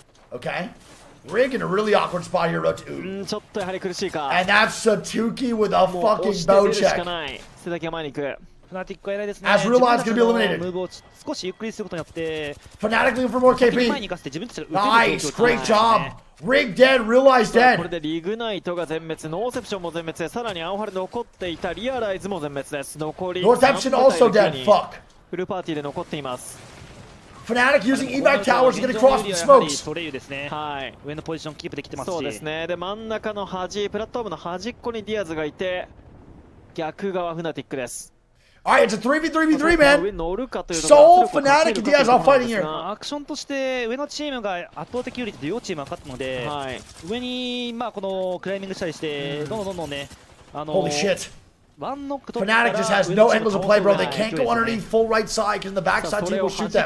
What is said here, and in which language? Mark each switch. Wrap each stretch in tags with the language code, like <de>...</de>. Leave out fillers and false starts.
<en>Okay, Rig in a really awkward spot here.</en> <ja>ちょっとやはり苦しいか。</ja> <en>And that's Satuki with a fucking bow check.</en> <ja>セダキが前に行く。 Fnatic が偉いですね。</ja> <en>As Rulon is gonna be eliminated.</en> <ja>ムーブを少しゆっくりすることによって。</ja> <en>Fnatic looking for more KP.</en> <ja>前に行かせて自分たちが打てる。</ja> <en>Nice, great job. Rig dead, Rulon is dead.</en> <ja>これでリグナイトが全滅、ノーセプションも全滅、さらにアオハル残っていたリアライズも全滅です。残り。</ja> <en>ノーセプション also dead. Fuck.</en> <ja>フルパーティーで残っています。</ja> <en>Fnatic using evac towers to get across the smokes。</en> <ja>トレイユですね。はい。上のポジションキープできてますし。そうですね。で真ん中の端、プラットフォームの端っこにディアズがいて、逆側フナティックです。</ja> <en>All right, it's a 3v3v3, man.</en> <ja>上乗るかというのが。</ja> <en>So Fnatic and Diaz are fighting here.</en> <ja>アクションとして上のチームが圧倒的有利で両チーム勝ったので、はい、上にまあこのクライミングしたりして、どんどんどんどんね、</ja> <en>Holy shit. Fnatic just has no angles of play, bro. They can't go underneath full right side because in the back side team will shoot them.</en>